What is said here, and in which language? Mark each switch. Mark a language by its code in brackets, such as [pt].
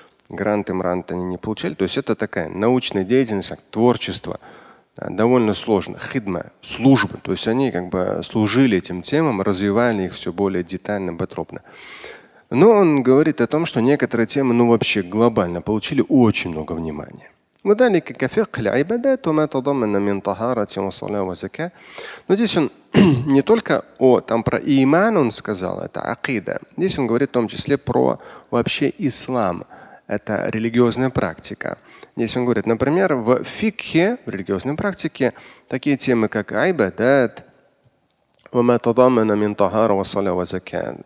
[ru] Гранты, мранты они не получали. То есть это такая научная деятельность, творчество. Да, довольно сложно. Хидма – служба. То есть они как бы служили этим темам, развивали их все более детально, подробно. Но он говорит о том, что некоторые темы ну, вообще глобально получили очень много внимания. [ar] وذلك كفقه العبادات وما تضمن من طهارة وصلاة وزكاة. [ru] Но здесь он не только о, там про иман он сказал, это акида. Здесь он говорит в том числе про вообще ислам. Это религиозная практика. Здесь он говорит, например, в фикхе, в религиозной практике, такие темы, как айбадат, [ar] وَمَا تَضَمَّنَ مِنْ طَهَارَ وَصَلَى وَزَكَى.